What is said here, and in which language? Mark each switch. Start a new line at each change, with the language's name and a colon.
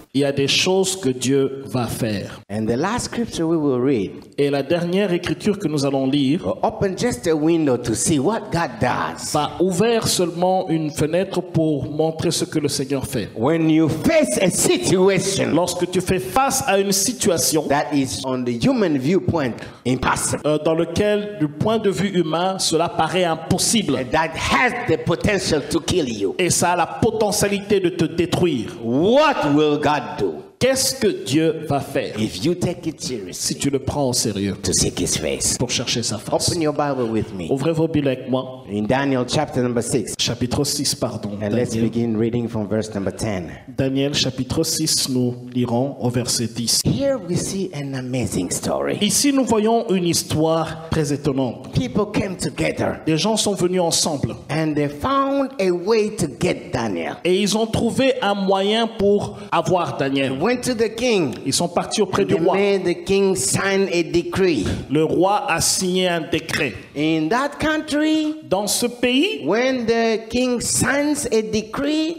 French: Il y a des choses que Dieu va faire.
English: And the last scripture we will read,
French: et la dernière écriture que nous allons lire,
English: will open just a window to see what God does.
French: Va ouvrir seulement une fenêtre pour montrer ce que le Seigneur fait.
English: When you face a situation,
French: lorsque tu fais face à une situation,
English: that is on the human viewpoint impossible.
French: Dans lequel du point de vue humain, cela paraît impossible.
English: And that has the potential to kill you.
French: Et ça a la potentialité de te détruire.
English: What will God do?
French: Qu'est-ce que Dieu va faire?
English: If you take it seriously,
French: si tu le prends au sérieux,
English: to seek his face,
French: pour chercher sa face.
English: Open your Bible with me.
French: Ouvrez vos Bibles avec moi.
English: In Daniel chapter number 6.
French: Chapitre 6, pardon.
English: And Daniel. Let's begin reading from verse number 10.
French: Daniel chapitre 6, nous lirons au verset 10.
English: Here we see an amazing story.
French: Ici nous voyons une histoire très étonnante.
English: People came together.
French: Des gens sont venus ensemble.
English: And they found a way to get Daniel.
French: Et ils ont trouvé un moyen pour avoir Daniel.
English: Went to the king.
French: Ils sont partis auprès du roi.
English: Made the king sign a decree.
French: Le roi a signé un décret.
English: In that country,
French: dans ce pays,
English: when the king signs a decree,